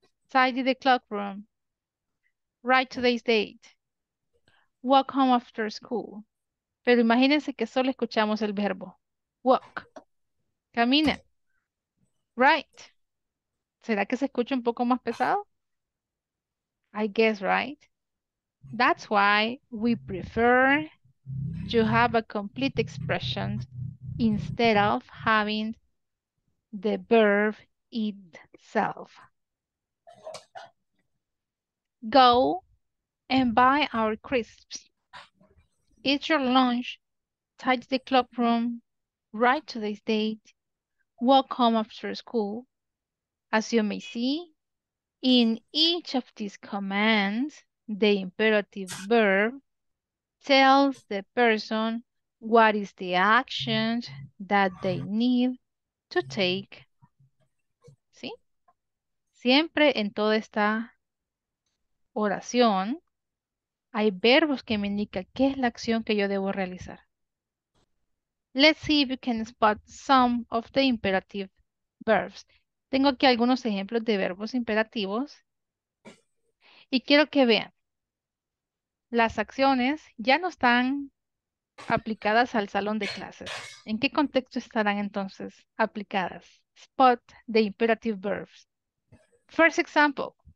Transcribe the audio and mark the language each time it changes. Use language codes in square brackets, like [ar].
[en] Tidy the clock room. Write today's date. Walk home after school. [es] Pero imagínense que solo escuchamos el verbo. Walk. Camina. Write. ¿Será que se escucha un poco más pesado? [en] I guess, right? That's why we prefer to have a complete expression instead of having the verb itself. Go and buy our crisps. Eat your lunch. Tidy the club room. Write today's date. Walk home after school. As you may see, in each of these commands, the imperative verb tells the person what is the action that they need to take. [es] ¿Sí? Siempre en toda esta oración, hay verbos que me indican qué es la acción que yo debo realizar. [en] Let's see if you can spot some of the imperative verbs. [es] Tengo aquí algunos ejemplos de verbos imperativos y quiero que vean. Las acciones ya no están aplicadas al salón de clases. ¿En qué contexto estarán entonces aplicadas? [en] Spot the imperative verbs. First example.